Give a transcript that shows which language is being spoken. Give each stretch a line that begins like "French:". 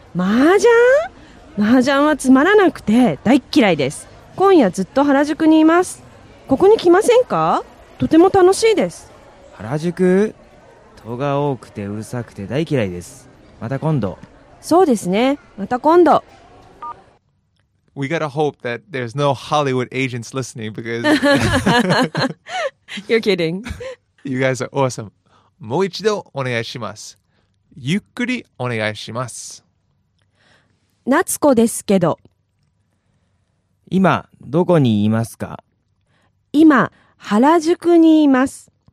Japanese: 麻雀？麻雀はつまらなくて大嫌いです。今夜ずっと原宿にいます。ここに来ませんか？とても楽しいです。原宿？人が多くてうるさくて大嫌いです。また今度。そうですね、また今度。
English: We gotta hope that there's no Hollywood agents listening because You're kidding. You guys are awesome.
Japanese: もう一度お願いします。ゆっくりお願いします。夏子ですけど、今どこにいますか？今原宿にいます。